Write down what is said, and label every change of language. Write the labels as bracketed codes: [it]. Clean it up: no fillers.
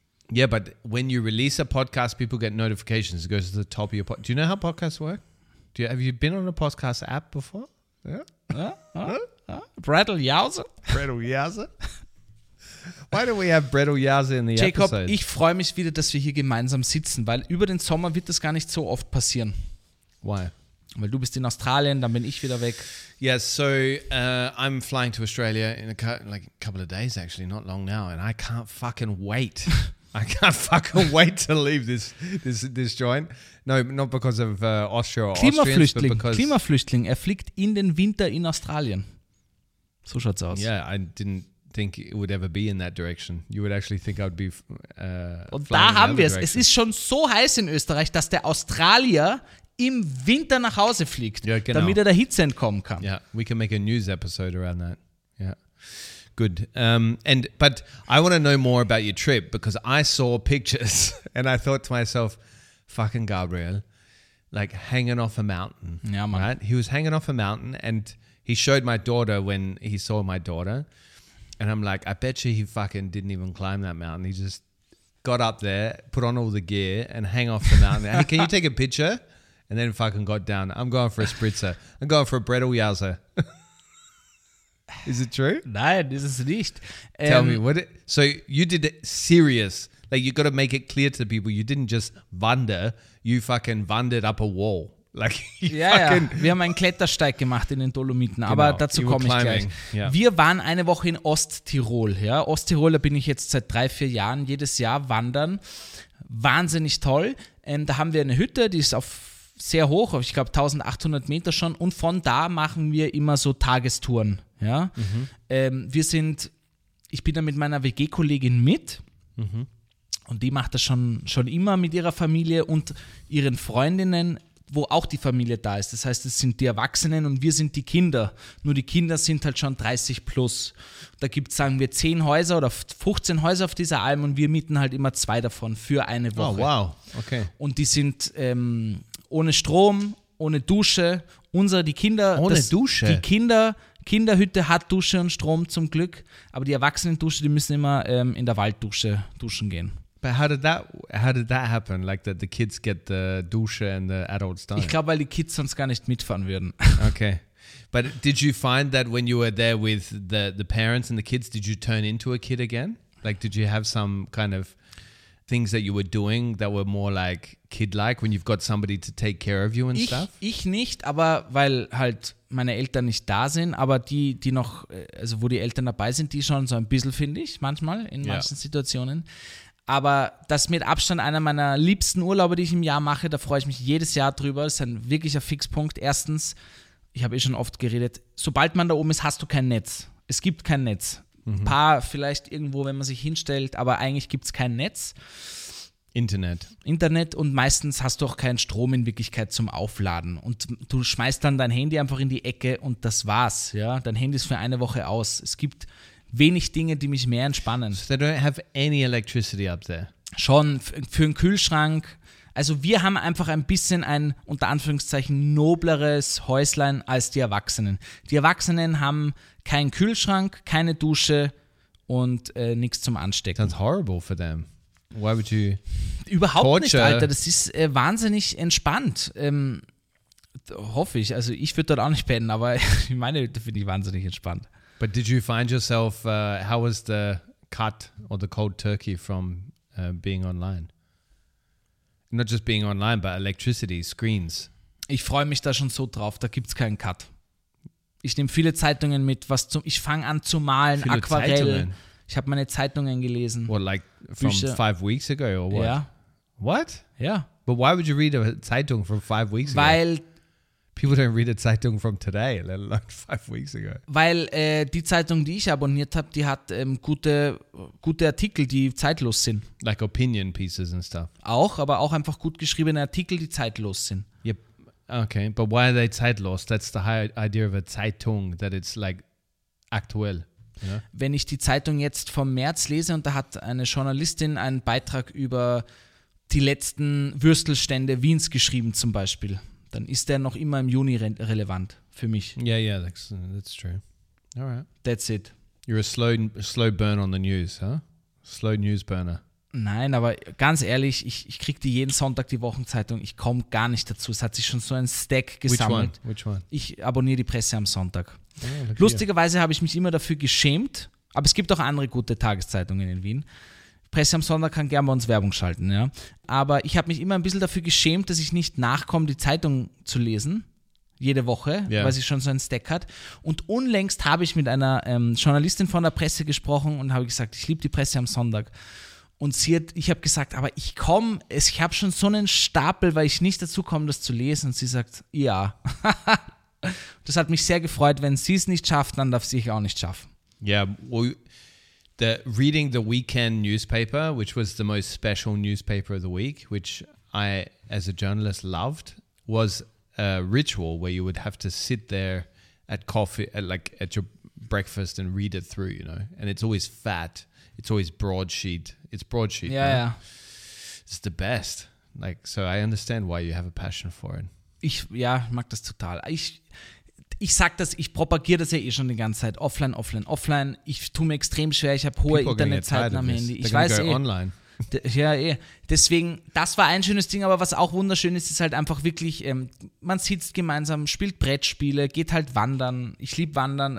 [en] Yeah, but when you release a podcast, people get notifications. It goes to the top of your podcast. Do you know how podcasts work? Do you, have you been on a podcast app before? [de] Bredel Jause. [en] Why don't we have Bredel Jause in the Jacob, episode? [de] Ich freue mich wieder, dass wir hier gemeinsam sitzen, weil über den Sommer wird das gar nicht so oft passieren. [en] Why? [de] Weil du bist in Australien, dann bin ich wieder weg. [en] Yes, so I'm flying to Australia in a, like a couple of days actually, not long now, and I can't fucking wait. I can't fucking wait to leave this joint. No, not because of Austria or [de] Klimaflüchtling, [en] Austrians, but [de] Klimaflüchtling, er fliegt in den Winter in Australien. So schaut's aus. [en] Yeah, I didn't think it would ever be in that direction. You would actually think I would be [de] Und da haben wir es. Es ist schon so heiß in Österreich, dass der Australier im Winter nach Hause fliegt, yeah, genau, damit er der Hitze entkommen kann. [en] Yeah, we can make a news episode around that. Yeah. Good. But I want to know more about your trip because I saw pictures and I thought to myself, fucking Gabriel, like hanging off a mountain. Yeah, man. Right? He was hanging off a mountain and he showed my daughter when he saw my daughter. And I'm like, I bet you he fucking didn't even climb that mountain. He just got up there, put on all the gear and hang off the mountain. Hey, can you take a picture? And then fucking got down. I'm going for a spritzer. I'm going for a Bredel Jause. Is it true? [de] Nein, ist es nicht. [en] Tell me, what? So you did it serious. Like you got to make it clear to the people. You didn't just wander. You fucking wandered up a wall. Like [de] ja, ja, wir haben einen Klettersteig gemacht in den Dolomiten, genau, aber dazu komme ich gleich. Yeah. Wir waren eine Woche in Osttirol. Ja? Osttirol, da bin ich jetzt seit 3-4 Jahren jedes Jahr wandern. Wahnsinnig toll. Da haben wir eine Hütte, die ist auf sehr hoch, ich glaube 1800 Meter schon. Und von da machen wir immer so Tagestouren. Ja? Mhm. Ich bin da mit meiner WG-Kollegin mit. Mhm. Und die macht das schon immer mit ihrer Familie und ihren Freundinnen, wo auch die Familie da ist. Das heißt, es sind die Erwachsenen und wir sind die Kinder. Nur die Kinder sind halt schon 30 plus. Da gibt es, sagen wir, 10 Häuser oder 15 Häuser auf dieser Alm und wir mieten halt immer 2 davon für eine Woche. [en] Oh, wow. Okay. [de] Und die sind ohne Strom, ohne Dusche. Kinderhütte hat Dusche und Strom zum Glück, aber die Erwachsenen-Dusche, die müssen immer in der Walddusche duschen gehen. [en] But how did that happen? Like that the kids get the Dusche and the adults don't? [de] Ich glaube, weil die Kids sonst gar nicht mitfahren würden. [en] Okay. But did you find that when you were there with the parents and the kids, did you turn into a kid again? Like did you have some kind of things that you were doing that were more like kid-like when you've got somebody to take care of you and [de] ich, [en] stuff? [de] Ich nicht, aber weil halt meine Eltern nicht da sind, aber die noch, also wo die Eltern dabei sind, die schon so ein bisschen, finde ich, manchmal in manchen Situationen. Aber das ist mit Abstand einer meiner liebsten Urlaube, die ich im Jahr mache. Da freue ich mich jedes Jahr drüber. Das ist ein wirklicher Fixpunkt. Erstens, ich habe eh schon oft geredet, sobald man da oben ist, hast du kein Netz. Es gibt kein Netz. Mhm. Ein paar vielleicht irgendwo, wenn man sich hinstellt, aber eigentlich gibt es kein Netz. Internet und meistens hast du auch keinen Strom in Wirklichkeit zum Aufladen. Und du schmeißt dann dein Handy einfach in die Ecke und das war's. Ja? Dein Handy ist für eine Woche aus. Es gibt wenig Dinge, die mich mehr entspannen. [en] So they don't have any electricity up there? [de] Schon, für einen Kühlschrank. Also wir haben einfach ein bisschen ein, unter Anführungszeichen, nobleres Häuslein als die Erwachsenen. Die Erwachsenen haben keinen Kühlschrank, keine Dusche und nichts zum Anstecken. [en] That's horrible for them. Why would you [de] überhaupt torture? Nicht, Alter. Das ist wahnsinnig entspannt. Hoffe ich. Also ich würde dort auch nicht pennen, aber in meiner Hütte finde ich wahnsinnig entspannt. [en] But did you find yourself, how was the cut or the cold turkey from being online? Not just being online, but electricity, screens. [de] Ich freue mich da schon so drauf, da gibt es keinen Cut. Ich nehme viele Zeitungen mit, ich fange an zu malen, viele Aquarell. Zeitungen. Ich habe meine Zeitungen gelesen. [en] What, like from Bücher. 5 weeks ago or what? Yeah. What? Yeah. But why would you read a Zeitung from 5 weeks ago? [de] Weil [en] people don't read a Zeitung from today, let alone 5 weeks ago. [de] Weil die Zeitung, die ich abonniert habe, die hat gute Artikel, die zeitlos sind. [en] Like opinion pieces and stuff. [de] Auch, aber auch einfach gut geschriebene Artikel, die zeitlos sind. [en] Yep. Okay, but why are they zeitlos? That's the high idea of a Zeitung, that it's like aktuell. Yeah. [de] Wenn ich die Zeitung jetzt vom März lese und da hat eine Journalistin einen Beitrag über die letzten Würstelstände Wiens geschrieben zum Beispiel, dann ist der noch immer im Juni relevant für mich. [en] Yeah, yeah, that's true. All right. That's it. You're a slow burn on the news, huh? Slow news burner. [de] Nein, aber ganz ehrlich, ich kriege die jeden Sonntag die Wochenzeitung. Ich komme gar nicht dazu. Es hat sich schon so ein Stack gesammelt. [en] Which one? [de] Ich abonniere die Presse am Sonntag. Oh, lustigerweise habe ich mich immer dafür geschämt, aber es gibt auch andere gute Tageszeitungen in Wien. Presse am Sonntag kann gerne bei uns Werbung schalten, ja. Aber ich habe mich immer ein bisschen dafür geschämt, dass ich nicht nachkomme, die Zeitung zu lesen, jede Woche, yeah, weil sie schon so einen Stack hat. Und unlängst habe ich mit einer Journalistin von der Presse gesprochen und habe gesagt, ich liebe die Presse am Sonntag. Und sie hat, ich habe gesagt, aber ich komme, ich habe schon so einen Stapel, weil ich nicht dazu komme, das zu lesen. Und sie sagt, ja. Das hat mich sehr gefreut. Wenn sie es nicht schafft, dann darf sie es auch nicht schaffen. [en] Ja, yeah, the reading the weekend newspaper, which was the most special newspaper of the week, which I, as a journalist, loved, was a ritual where you would have to sit there at coffee, at your breakfast and read it through, you know. And it's always fat. It's always broadsheet. It's broadsheet. Yeah, right? Yeah. It's the best. So I understand why you have a passion for it. [de] Mag das total. Ich sag das, ich propagiere das ja eh schon die ganze Zeit. Offline, offline, offline. Ich tue mir extrem schwer. Ich habe hohe Internetzeiten am Handy. Ich weiß eh. Online. Deswegen, das war ein schönes Ding, aber was auch wunderschön ist, ist halt einfach wirklich, man sitzt gemeinsam, spielt Brettspiele, geht halt wandern. Ich liebe Wandern.